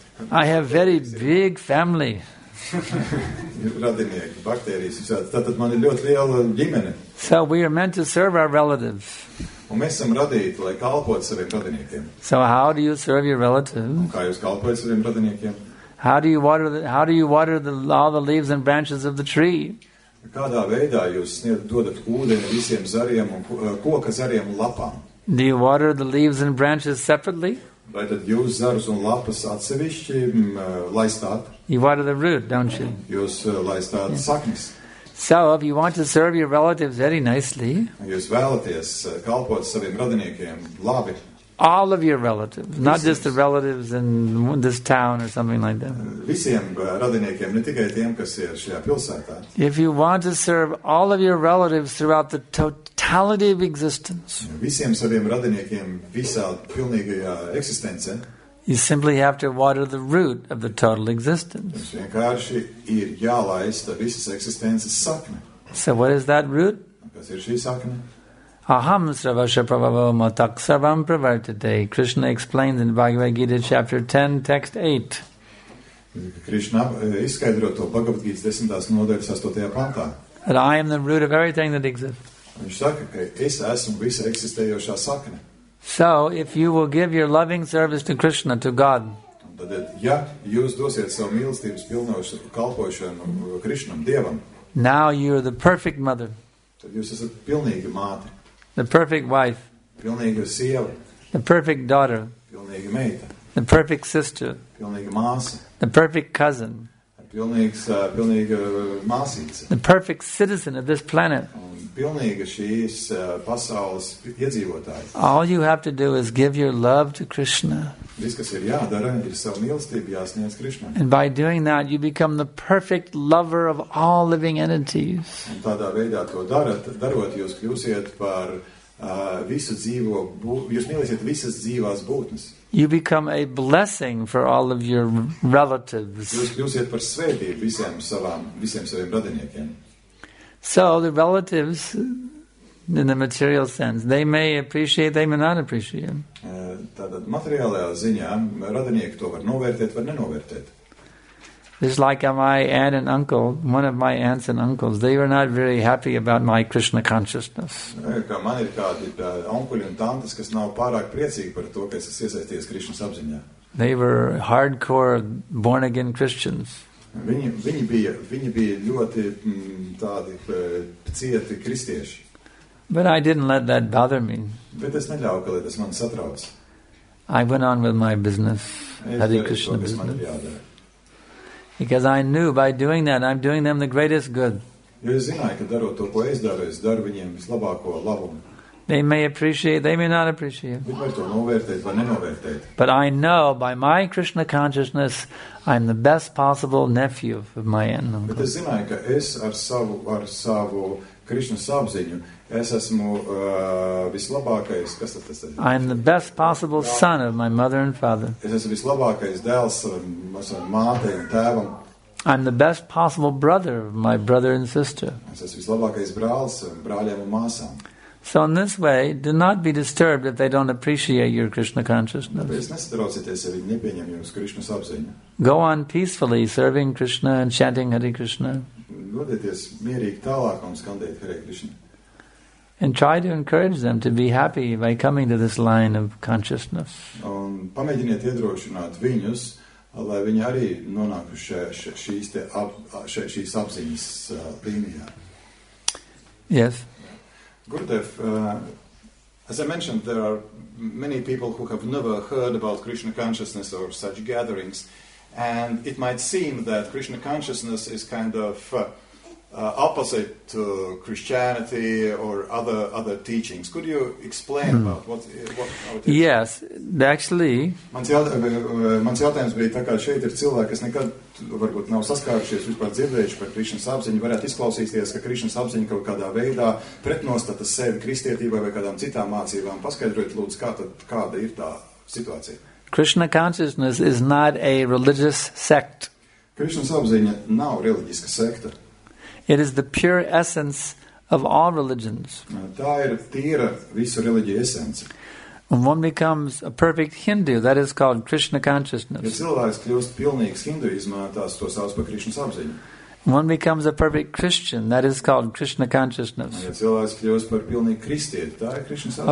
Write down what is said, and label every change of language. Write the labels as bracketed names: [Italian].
[English] I have very big family. So we are meant to serve our relatives. So how do you serve your relatives? How do you water all the leaves and branches of the tree? [Latvian] Kādā veidā jūs dodat ūdeni visiem zariem un koka zariem un lapām? [English] Do you water the leaves and branches separately? [Latvian] Vai tad jūs zarus un lapas atsevišķi laistāt? [English] You water the root, don't you? [Latvian] Jūs laistāt saknis. [English] So, if you want to serve your relatives very nicely, [Latvian] jūs vēlaties kalpot saviem radiniekiem labi. [English] All of your relatives, [Latvian] visiem. [English] Not just the relatives in this town or something like that. [Latvian] Visiem radiniekiem, ne tikai tiem, kas ir šajā pilsētā. [English] If you want to serve all of your relatives throughout the totality of existence, [Latvian] visiem saviem radiniekiem visā pilnīgajā eksistence, [English] you simply have to water the root of the total existence. [Latvian] Jums vienkārši ir jālaista visas eksistences sakne. [English] So what is that root? [Latvian] Kas ir šī sakne? [Sanskrit] Aham sravasya prabhava matak sarvam pravartate. [English] Krishna explains in Bhagavad Gita chapter 10, text 8. [Latvian] Krishna izskaidro to Bhagavad Gita 10. Nodaļas 8. Pantā. [English] That I am the root of everything that exists. [Latvian] Viņš saka, ka es esmu visa eksistējošā sakne. [English] So, if you will give your loving service to Krishna, to God, [Latvian] ja jūs dosiet savu mīlestības pilnošu kalpošanu Krishnam, Dievam, [English] now you are the perfect mother. [Latvian] Tad jūs esat pilnīga māte. [English] The perfect wife. [Latvian] Pilnīga sieva. [English] The perfect daughter. [Latvian] Pilnīga meita. [English] The perfect sister. [Latvian] Pilnīga māsa. [English] The perfect cousin. [Latvian] Pilnīga māsīca. [English] The perfect citizen of this planet. [Latvian] Pilnīga šīs pasaules iedzīvotājs. [English] All you have to do is give your love to Krishna. [Latvian] Viss, kas ir jādara, ir savu mīlestību jāsniedz Krishnam. [English] And by doing that, you become the perfect lover of all living entities. [Latvian] Un tādā veidā to darot, jūs kļūsiet par visu dzīvo, jūs mīlēsiet visas dzīvās būtnes. [English] You become a blessing for all of your relatives. [Latvian] Jūs kļūsiet par svētību visiem saviem radiniekiem. [English] So, the relatives, in the material sense, they may appreciate, they may not appreciate. [Latvian] Tātad materiālajā ziņā radinieki to var novērtēt, var nenovērtēt. [English] It's like my aunt and uncle, one of my aunts and uncles, they were not very happy about my Krishna consciousness. [Latvian] Man ir kādi onkuļi un tantes, kas nav pārāk priecīgi par to, ka es esmu iesaistījies Krishnas apziņā. [English] They were hardcore born-again Christians. [Latvian] Viņi bija ļoti tādi cieti kristieši. [English] But I didn't let that bother me. [Latvian] Bet es neļauju, ka tas man satrauc. [English] I went on with my business, Hare Krishna business. Because I knew by doing that, I'm doing them the greatest good. [Latvian] Jo es zināju, ka darot to, ko es daru, es daru viņiem vislabāko labumu. [English] They may appreciate, they may not appreciate. [Latvian] Viņi var to novērtēt vai nenovērtēt. [English] But I know by my Krishna consciousness, I'm the best possible nephew of my aunt and uncle. [Latvian] Bet es zināju, ka es ar savu Krishna sapziņu, es esmu vislabākais, kas tad tas ir? [English] I'm the best possible son of my mother and father. [Latvian] Es esmu vislabākais dēls savam mātei un tēvam. [English] I'm the best possible brother of my brother and sister. [Latvian] Es esmu vislabākais brālis brāļiem un māsām. [English] So in this way, do not be disturbed if they don't appreciate your Krishna consciousness. [Latvian] Es nesatraucieties, ja viņi nepieņem jūs Krishna sapziņu. [English] Go on peacefully serving Krishna and chanting Hare Krishna. [Latvian] Godieties mierīgi tālāk un skandēt Hare Krishna. [English] And try to encourage them to be happy by coming to this line of consciousness. [Latvian] Un pamēģiniet iedrošināt viņus, lai viņi arī nonāktu šīs apziņas līnijā. [English] Yes. Gurudev, as I mentioned, there are many people who have never heard about Krishna consciousness or such gatherings, and it might seem that Krishna consciousness is kind of opposite to Christianity or other teachings. Could you explain about what our teachings? Yes, actually. [Latvian] Mans jautājums bija tā kā šeit ir cilvēki, kas nekad varbūt nav saskārušies, vispār dzirdējuši par Krišnas apziņu, varētu izklausīties, ka Krišnas apziņa kaut kādā veidā pretnostata sevi kristietībai vai kādām citām mācībām. Paskaidrojiet, lūdzu, kāda ir tā situācija. [English] Krishna consciousness is not a religious sect. [Latvian] Krišnas apziņa nav reliģiska sekta. [English] It is the pure essence of all religions. [Latvian] Tā ir tīra visu reliģiju esence. [English] And one becomes a perfect Hindu, that is called Krishna consciousness. [Latvian] Ja cilvēks kļūst pilnīgs hinduismā, tās to sauc par Krishna apziņu. [English] And one becomes a perfect Christian, that is called Krishna consciousness. [Latvian] Ja cilvēks kļūst par pilnīgu kristieti, tā ir Krishna apziņa.